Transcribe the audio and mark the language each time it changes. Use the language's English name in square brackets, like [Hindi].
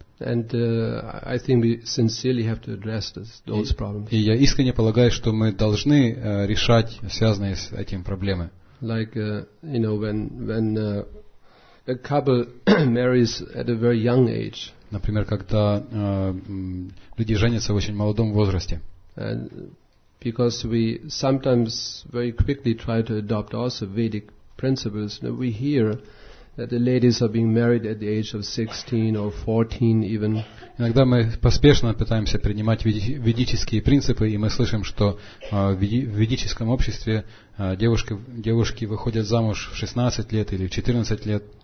[English] And I think we sincerely have to address those problems. [Russian] И я искренне полагаю, что мы должны решать связанные с этим проблемы. [English] Like you know, when a couple marries at a very young age. [Russian] Например, когда люди женятся в очень молодом возрасте. [English] And because we sometimes very quickly try to adopt also Vedic principles, you know, we hear that the ladies are being married at the age of 16 or 14 even. [Russian] Иногда мы поспешно пытаемся принимать ведические принципы, и мы слышим, что в ведическом обществе девушки выходят замуж в 16 лет или в 14 лет.